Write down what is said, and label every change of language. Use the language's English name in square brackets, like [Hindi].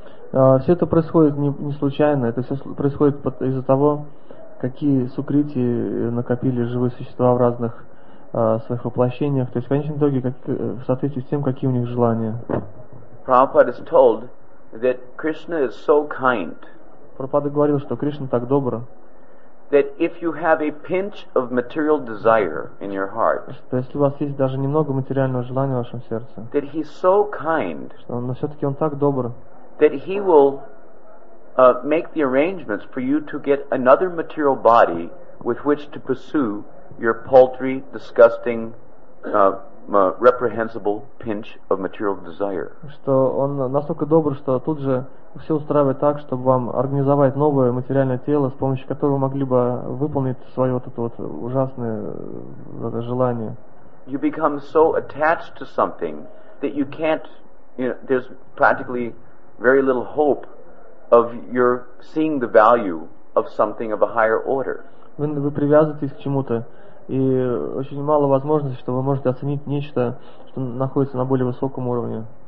[Russian] Все это происходит не случайно, это все происходит из-за того, какие сукрити накопили живые существа в разных своих воплощениях, то есть в конечном итоге в соответствии с тем, какие у них желания. [English] Prabhupada is told that Krishna is so kind. [Russian] Прабхупада говорил, что Кришна так добр. [English] That if you have a pinch of material desire in your heart. [Russian] Что если у вас есть даже немного материального желания в вашем сердце. [English] That he's so kind. [Russian] Что он, но все-таки он так добр. [English] That he will make the arrangements for you to get another material body with which to pursue your paltry, disgusting, reprehensible pinch of material desire. [Russian] Что он настолько добр, что тут же все устраивает так, чтобы вам организовать новое материальное тело, с помощью которого вы могли бы выполнить свое вот это вот ужасное это желание. [English] You become so attached to something that you can't, you know, there's practically very little hope of your seeing the value of something of a higher order. [Russian] Вы привязываетесь к чему-то, и очень мало возможностей, что вы можете оценить нечто, что находится на более высоком уровне.